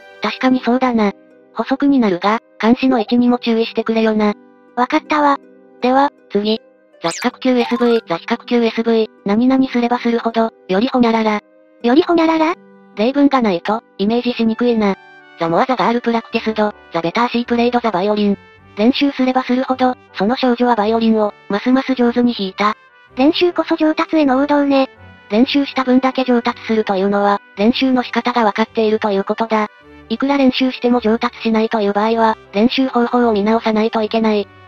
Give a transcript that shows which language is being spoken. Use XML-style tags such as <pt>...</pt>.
<ja>確かにそうだな。補足になるが、監視の位置にも注意してくれよな。わかったわ。では、次。座比較級 SV、座比較級 SV、何々すればするほど、よりほにゃらら。よりほにゃらら？例文がないと、イメージしにくいな。</ja> <en>The more the girl practiced the, the better she played the violin。</en> <ja>練習すればするほど、その少女はバイオリンを、ますます上手に弾いた。練習こそ上達への王道ね。練習した分だけ上達するというのは、練習の仕方がわかっているということだ。いくら練習しても上達しないという場合は、練習方法を見直さないといけない。</ja>